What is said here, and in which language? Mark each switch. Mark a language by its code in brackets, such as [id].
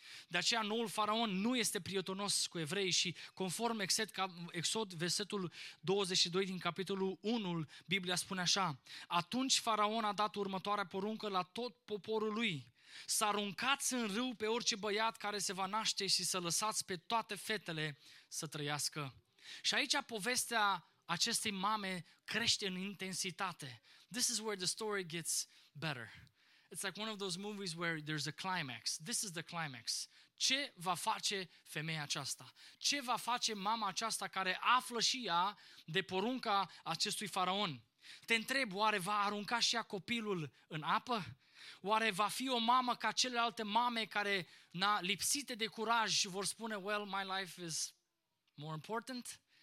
[ro] De aceea noul faraon nu este prietenos cu evrei și conform Exod, versetul 22 din capitolul 1, Biblia spune așa: atunci faraon a dat următoarea poruncă la tot poporul lui: să aruncați în râu pe orice băiat care se va naște și să lăsați pe toate fetele să trăiască. Și aici povestea acestei mame crește în intensitate. [en] This is where the story gets better. It's like one of those movies where there's a climax. This is the climax. [ro] Ce va face femeia aceasta? Ce va face mama aceasta care află și ea de porunca acestui faraon? Te întreb, oare va arunca și ea copilul în apă? Oare va fi o mamă ca celelalte mame care, lipsite de curaj, vor spune, [en] well, my life is more important?